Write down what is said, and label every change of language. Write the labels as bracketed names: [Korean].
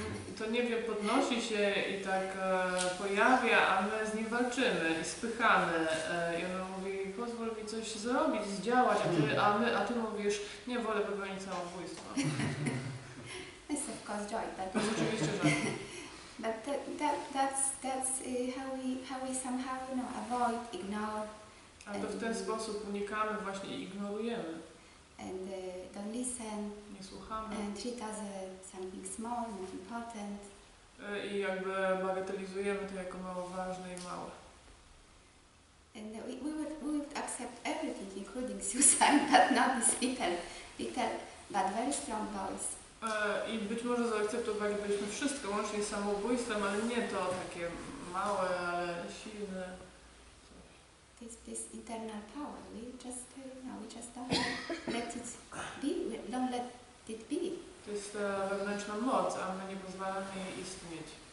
[Polish] I to nie wiem, podnosi się i tak pojawia, a my z nim walczymy i spychamy. I ona mówi, pozwól mi coś zrobić, zdziałać, a ty mówisz, nie, wolę popełnić samobójstwo. [English] It's of course joy, but [Polish] to rzeczywiście żart. [English] But that's how we somehow, you know, avoid, ignore. [Polish] A to w ten sposób unikamy właśnie i ignorujemy. [English] And don't listen. [Polish] Nie słuchamy. [English] And treat as something small, not important. [Polish] I jakby bagatelizujemy to jako mało ważne i małe. [English] And we would accept everything, including suicide, but not this little, but very strong voice. [Polish] I być może zaakceptowalibyśmy wszystko, łącznie z samobójstwem, ale nie to takie małe, ale silne. [English] this internal power. We just don't let it be. We don't let it be. [Polish] To jest wewnętrzna moc, a my nie pozwalamy jej istnieć.